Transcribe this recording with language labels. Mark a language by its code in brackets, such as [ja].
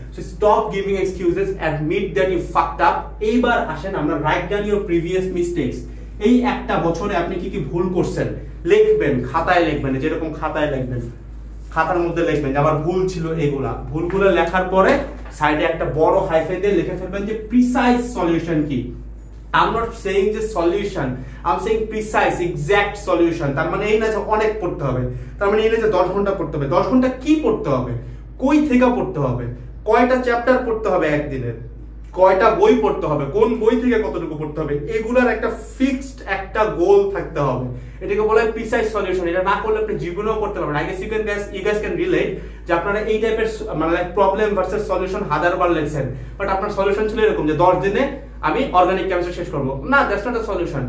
[en] So stop giving excuses, admit that you fucked up. [bn] এইবার আসেন আমরা [en] write down your previous mistakes, [bn] এই একটা বছরে আপনি কি কি ভুল করছেন লিখবেন, খাতায় লিখবেন, যেরকম খাতায় লিখবেন খাতার মধ্যে লিখবেন যে আমার ভুল ছিল এগুলা। ভুলগুলো লেখার পরে সাইডে একটা বড় হাইফাই দিয়ে লিখে ফেলবেন যে প্রিসাইজ সলিউশন কি। [en] I'm not saying the solution, I'm saying precise, exact solution. [bn] তার মানে এই না যে অনেক পড়তে হবে, তার মানে এই না যে 10 ঘন্টা পড়তে হবে। 10 ঘন্টা কি পড়তে হবে, কই থেকে পড়তে হবে, কয়টা চ্যাপ্টার পড়তে হবে একদিনে, কয়টা বই পড়তে হবে, কোন বই থেকে কতটুকু পড়তে হবে, এগুলার একটা ফিক্সড একটা গোল থাকতে হবে। এটাকে বলা হয় প্রিসাইজ সলিউশন। এটা না করলে আপনি জীবনেও করতে পারবেন। [en] I guess you can guess, you guys can relate [bn] যে আপনারা এই টাইপের মানে লাইক প্রবলেম ভার্সেস সলিউশন হাজার বার লিখছেন, বাট আপনার সলিউশন ছিল এরকম যে 10 দিনে আমি অর্গানিক কেমিস্ট্রি শেষ করবো। না, [en] That's not a solution.